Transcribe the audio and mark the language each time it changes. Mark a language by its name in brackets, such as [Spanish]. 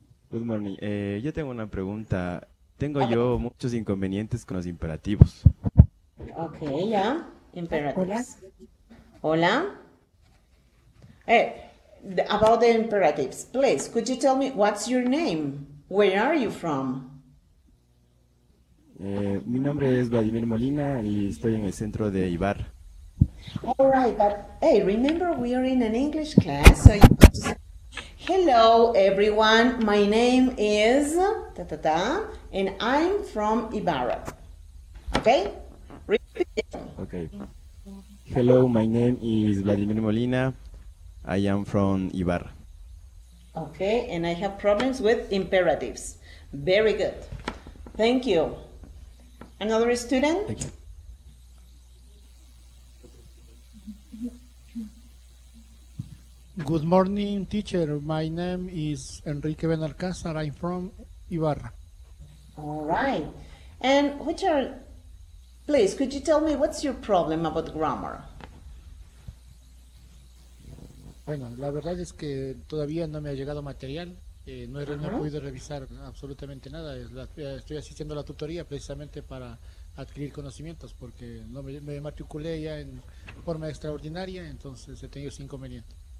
[English] Good morning. [Spanish] Yo tengo una pregunta. Tengo yo muchos inconvenientes con los imperativos. [English] Okay, ya. Imperatives. [Spanish] Hola. [English] About the imperatives, please, could you tell me what's your name? Where are you from? [Spanish] Mi nombre es Vladimir Molina y estoy en el centro de Ibar. [English] All right, but hey, remember we are in an English class, so you have to say, hello everyone, my name is ta ta ta, and I'm from Ibarra. Okay? Okay. Hello, my name is Vladimir Molina. I am from Ibar. Okay, and I have problems with imperatives. Very good. Thank you. Another student? Thank Good morning, teacher. My name is Enrique Benalcázar. I'm from Ibarra. All right. And which are, please, could you tell me what's your problem about grammar? [Spanish] Bueno, la verdad es que todavía no me ha llegado material, no he podido revisar absolutamente nada. Estoy asistiendo a la tutoría precisamente para adquirir conocimientos, porque no me matriculé ya en forma extraordinaria, entonces he tenido ese inconveniente.